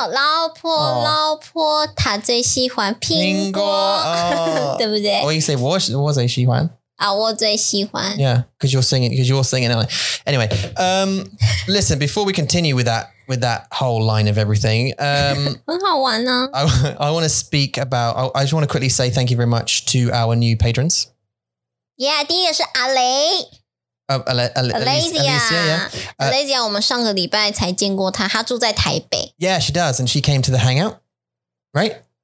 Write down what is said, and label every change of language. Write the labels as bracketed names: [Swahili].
[Chinese] 老婆，她最喜欢苹果， 对不对？ [English] Or you say [Chinese] 我最喜欢。我最喜欢。 [English] Yeah, because you're singing. Anyway, listen, before we continue with that whole line of everything, [Chinese] 很好玩啊。 [English] I just want to quickly say thank you very much to our new patrons. Yeah, [Chinese] 第一个是阿雷。 [English] Alicia, [Chinese] 我们上个礼拜才见过她, 她住在台北。 [English] Yeah, she does, and she came to the hangout, right?